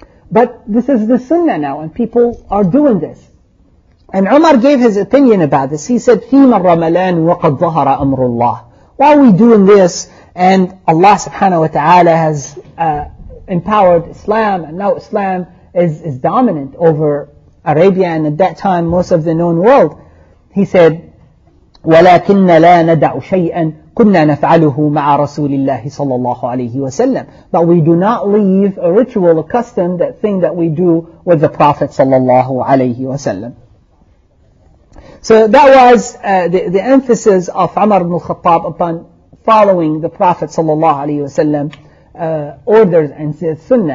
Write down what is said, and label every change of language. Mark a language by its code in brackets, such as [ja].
[en] But this is the sunnah now, and people are doing this. And Umar gave his opinion about this. He said, [ar] فِيمَ الرَّمَلَانُ وَقَدْ ظَهَرَ أَمْرُ اللَّهِ. [en] Why are we doing this? And Allah subhanahu wa ta'ala has empowered Islam, and now Islam is dominant over Arabia, and at that time, most of the known world. He said, [ar] وَلَكِنَّ لَا نَدَعُ شَيْئًا كُنَّا نَفْعَلُهُ مَعَ رَسُولِ اللَّهِ صَلَى اللَّهُ عَلَيْهِ وَسَلَّمْ. [en] But we do not leave a ritual, a custom, that thing that we do with the Prophet [ar] صَلَى اللَّهُ عَلَيْهِ وَسَلَّمْ. [en] So that was the emphasis of Umar ibn al-Khattab upon following the Prophet sallallahu alaihi wasallam orders and sunnah.